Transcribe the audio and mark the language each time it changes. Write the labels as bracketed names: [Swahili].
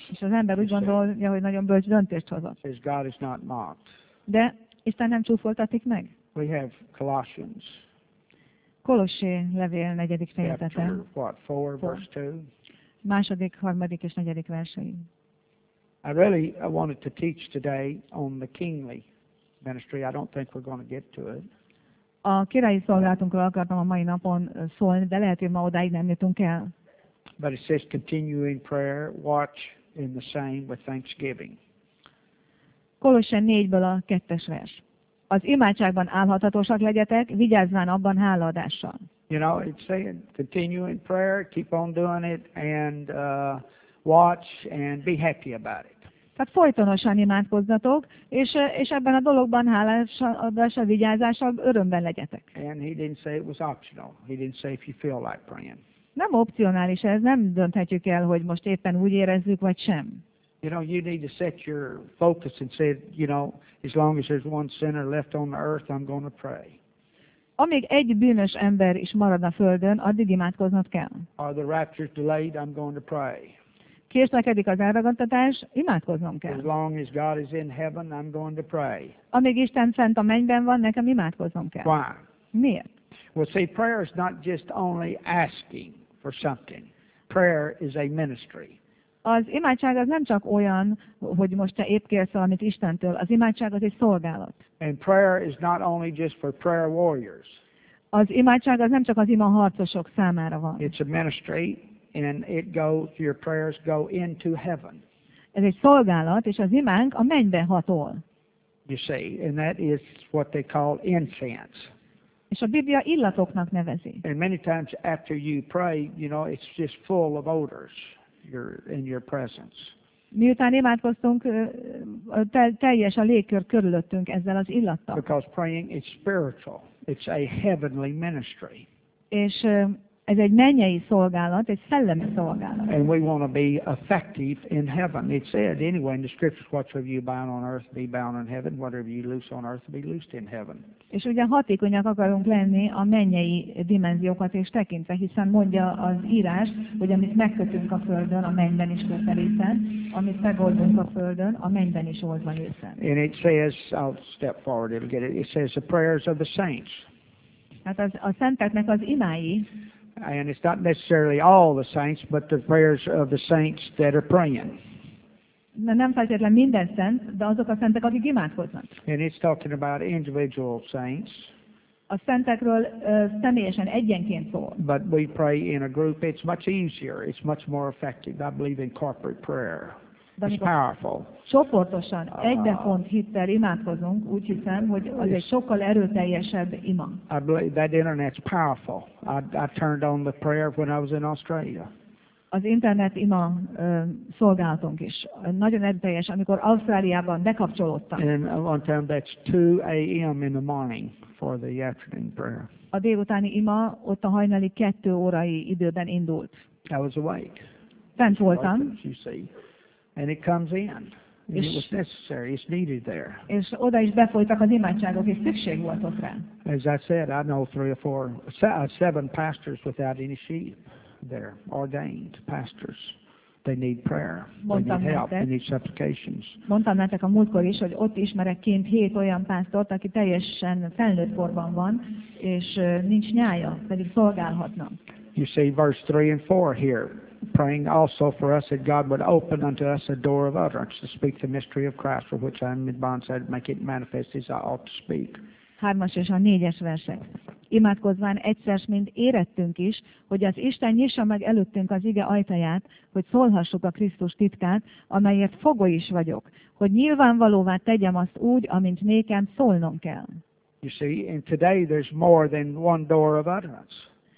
[Hungarian] És az ember úgy gondolja, hogy nagyon bölcs döntést hozott. [English] Says God is not mocked. [Hungarian] De Isten nem csúfoltatik meg. [English] We have Colossians. [Hungarian] Kolossé levél 4. fejezete. [English] Chapter what, 4, verse 2. [Hungarian] Második, harmadik és negyedik versei. [English] I wanted to teach today on the kingly ministry. I don't think we're going to get to it. [Hungarian] A királyi szolgálatunkról akartam a mai napon szólni, de lehet, hogy ma odáig nem jutunk el. [English] But it says continue in prayer, watch in the same with thanksgiving. [Hungarian] Kolossé 4-ből a 2. vers. Az imádságban állhatatosak legyetek, vigyázván abban hálaadással. [English] You know, it's saying continue in prayer, keep on doing it, and watch and be happy about it. [Hungarian] Tehát folytonosan imádkozzatok, és ebben a dologban hálaadással, vigyázással örömben legyetek. [English] And he didn't say it was optional. He didn't say if you feel like praying. [Hungarian] Nem opcionális ez, nem dönthetjük el, hogy most éppen úgy érezzük, vagy sem. [English] You know, you need to set your focus and say, you know, as long as there's one sinner left on the earth, I'm going to pray. [Hungarian] Amíg egy bűnös ember is marad a földön, addig imádkoznod kell. [English] Are the rapture delayed, I'm going to pray. [Hungarian] Késlekedik az elragadtatás, imádkoznom kell. [English] As long as God is in heaven, I'm going to pray. [Hungarian] Amíg Isten fent a mennyben van, nekem imádkoznom kell. [English] Why? [Hungarian] Miért? [English] Well, see, prayer is not just only asking for something. Prayer is a ministry. [Hungarian] Az imádság az nem csak olyan, hogy most te épp kérsz valamit Istentől. Az imádság az egy szolgálat. [English] And prayer is not only just for prayer warriors. [Hungarian] Az imádság az nem csak az ima harcosok számára van. [English] It's a ministry and it goes, your prayers go into heaven. [Hungarian] Ez egy szolgálat, és az imánk a mennybe hatol. [English] You see, and that is what they call incense. [Hungarian] És a Biblia illatoknak nevezi. [English] And many times after you pray, you know, it's just full of odors. In your presence. [Hungarian] Miután imádkoztunk, teljes a légkör körülöttünk ezzel az illattal. [English] Because praying is spiritual. It's a heavenly ministry. [Hungarian] És ez egy mennyei szolgálat, egy szellemi szolgálat. [English] And we want to be effective in heaven. It said anyway in the scriptures, whatsoever you bind on earth, be bound in heaven. Whatever you loose on earth, be loosed in heaven. [Hungarian] És ugye hatékonyak akarunk lenni a mennyei dimenziókat és tekintve, hiszen mondja az írás, hogy amit megkötünk a földön, a mennyben is kötelészen, amit megoldunk a földön, a mennyben is oldva lészen. [English] And it says, I'll step forward, it'll get it. It says the prayers of the saints. [Hungarian] Hát a szenteknek az imái. [English] And it's not necessarily all the saints, but the prayers of the saints that are praying. [Hungarian] Nem feltétlen minden szent, de azok a szentek, akik imádkoznak. [English] And it's talking about individual saints. [Hungarian] A szentekről személyesen, egyenként szól. [English] But we pray in a group, it's much easier, it's much more effective. I believe in corporate prayer. It's powerful. [Hungarian] Csoportosan, egybefont hittel imádkozunk, úgy hiszem, hogy az egy sokkal erőteljesebb ima. [English] I believe that internet's powerful. I turned on the prayer when I was in Australia. [Hungarian] Az internet ima szolgálatunk is. Nagyon erőteljes, amikor Ausztráliában bekapcsolódtam. [English] And one time that's 2 a.m. in the morning for the afternoon prayer. [Hungarian] A délutáni ima ott a hajnali 2 órai időben indult. [English] I was awake. [Hungarian] Fent voltam. [English] You see. And it comes in. It was necessary. It's needed there. [Hungarian] És oda is befolytak az imádságok, és szükség volt ott rá. [English] As I said, I know 3 or 4, 7 pastors without any sheep there, ordained pastors. They need prayer. [Hungarian] Mondtam [English] they need help. They need supplications. [Hungarian] Mondtam nektek a múltkor is, hogy ott ismerek kint 7 olyan pásztort, aki teljesen felnőtt korban van, és nincs nyája, pedig szolgálhatna. [English] You see verse 3 and 4 here. Praying also for us that God would open unto us a door of utterance to speak the mystery of Christ for which I am in bonds, that make it manifest as I ought to speak. [Hungarian] 3-as és a 4-es versek. Imádkozván egyszer, mint érettünk is, hogy az Isten nyissa meg előttünk az ige ajtaját, hogy szólhassuk a Krisztus titkát, amelyet fogoly is vagyok, hogy nyilvánvalóvá tegyem azt úgy, amint nékem szólnom kell. [English] You see, and today there's more than one door of utterance.